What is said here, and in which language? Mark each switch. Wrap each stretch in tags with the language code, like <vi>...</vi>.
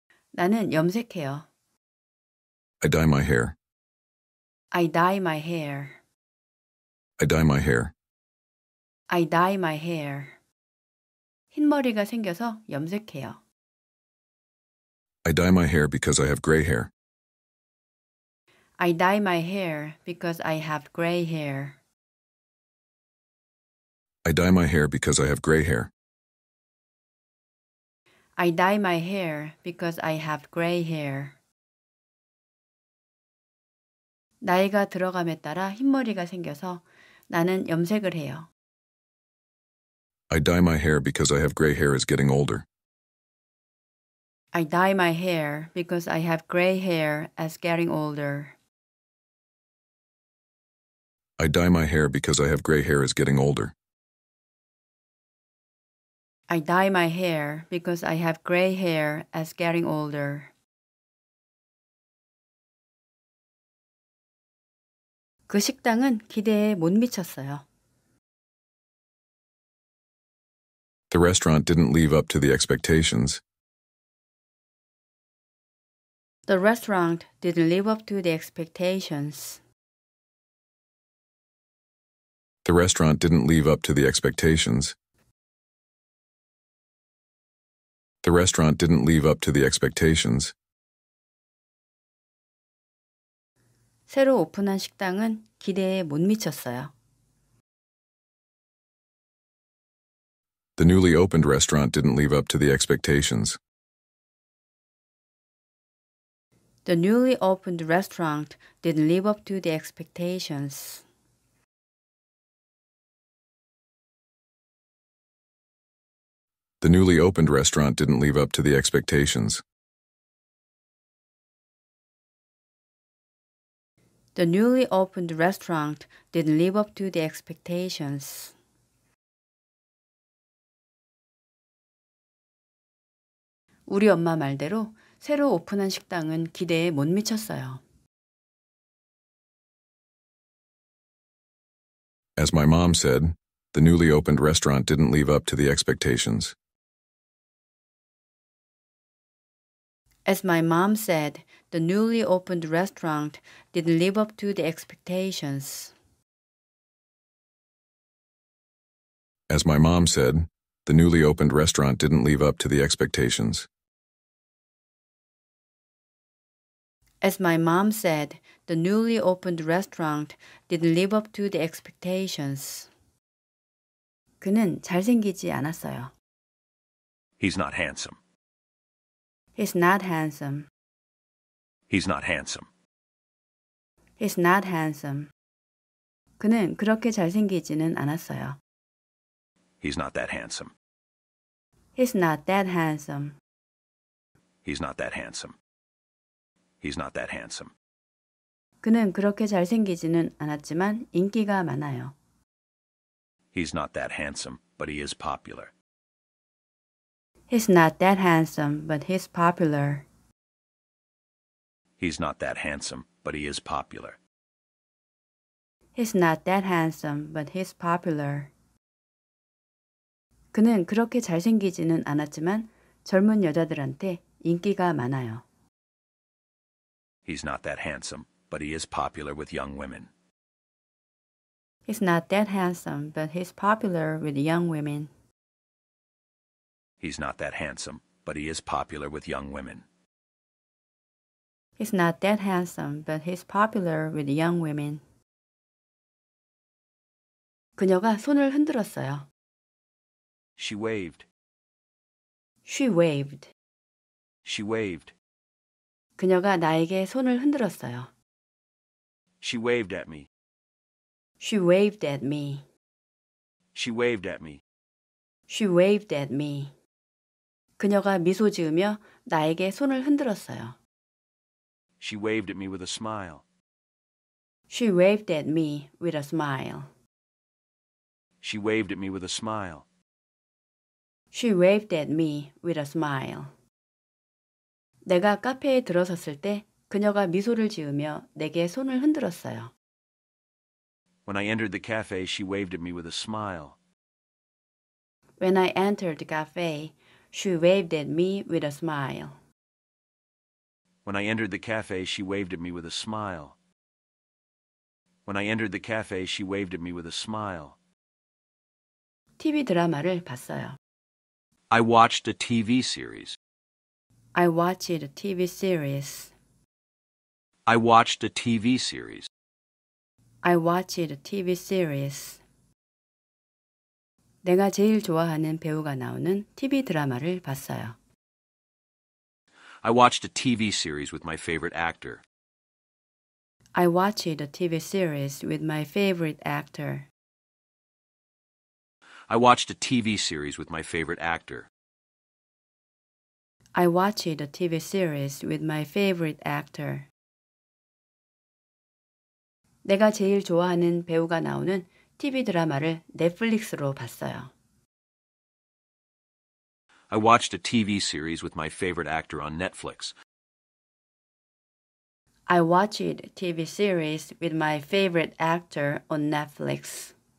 <ko>나는 염색해요.</ko> <en>I dye my hair. I dye my hair. I dye my hair. I dye my hair.</en> <ko>흰머리가 생겨서 염색해요.</ko> <en>I dye my hair because I have gray hair. I dye my hair because I have gray hair. I dye my hair because I have gray hair. I dye my hair because I have gray hair.</en> <ko>나이가 들어감에 따라 흰머리가 생겨서 나는 염색을 해요.</ko> <en>I dye my hair because I have gray hair is getting older. I dye my hair because I have gray hair as getting older. I dye my hair because I have gray hair is getting older. I dye my hair because I have gray hair as getting older.</en> <ko>그 식당은 기대에 못 미쳤어요.</ko> <en>The restaurant didn't live up to the expectations. The restaurant didn't live up to the expectations. The restaurant didn't live up to the expectations. The restaurant didn't live up to the expectations.</en> <ko>새로 오픈한 식당은 기대에 못 미쳤어요.</ko> <en>The newly opened restaurant didn't live up to the expectations. The newly opened restaurant didn't live up to the expectations. The newly opened restaurant didn't live up to the expectations. The newly opened restaurant didn't live up to the expectations.</en> <ko>우리 엄마 말대로 새로 오픈한 식당은 기대에 못 미쳤어요.</ko> <en>As my mom said, the newly opened restaurant didn't live up to the expectations. As my mom said, the newly opened restaurant didn't live up to the expectations. As my mom said, the newly opened restaurant didn't live up to the expectations. As my mom said, the newly opened restaurant didn't live up to the expectations.</en> <ko>그는 잘생기지 않았어요.</ko> <en>He's not handsome. He's not handsome. He's not handsome. He's not handsome.</en> <ko>그는 그렇게 잘생기지는 않았어요.</ko> <en>He's not that handsome. He's not that handsome. He's not that handsome. He's not that handsome.</en> <ko>그는 그렇게 잘생기지는 않았지만 인기가 많아요.</ko> <en>He's not that handsome, but he is popular. He's not that handsome, but he's popular. He's not that handsome, but he is popular. He's not that handsome, but he's popular.</en> <ko>그는 그렇게 잘생기지는 않았지만 젊은 여자들한테 인기가 많아요.</ko> <en>He's not that handsome, but he is popular with young women. He's not that handsome, but he's popular with young women. He's not that handsome, but he is popular with young women. He's not that handsome, but he's popular with young women.</en> <ko>그녀가 손을 흔들었어요.</ko> <en>She waved. She waved. She waved.</en> <ko>그녀가 나에게 손을 흔들었어요.</ko> <en>She waved at me. She waved at me. She waved at me. She waved at me.</en> <ko>그녀가 미소 지으며 나에게 손을 흔들었어요.</ko> <en>She waved at me with a smile. She waved at me with a smile. She waved at me with a smile. She waved at me with a smile.</en> <ko>내가 카페에 들어섰을 때 그녀가 미소를 지으며 내게 손을 흔들었어요.</ko> <en>When I entered the cafe, she waved at me with a smile. When I entered the cafe, she waved at me with a smile. When I entered the cafe, she waved at me with a smile. When I entered the cafe, she waved at me with a smile.</en> <ko>TV 드라마를 봤어요.</ko> <en>I watched a TV series. I watched a TV series. I watched a TV series. I watched a TV series.</en> <ko>내가 제일 좋아하는 배우가 나오는 TV 드라마를 봤어요.</ko> <en>I watched a TV series with my favorite actor. I watched a TV series with my favorite actor. I watched a TV series with my favorite actor. I watched a TV series with my favorite actor.</en> <ko>내가 제일 좋아하는 배우가 나오는 TV 드라마를 넷플릭스로 봤어요.</ko> <en>I watched a TV series with my favorite actor on Netflix. I watched a TV series with my favorite actor on Netflix.</en>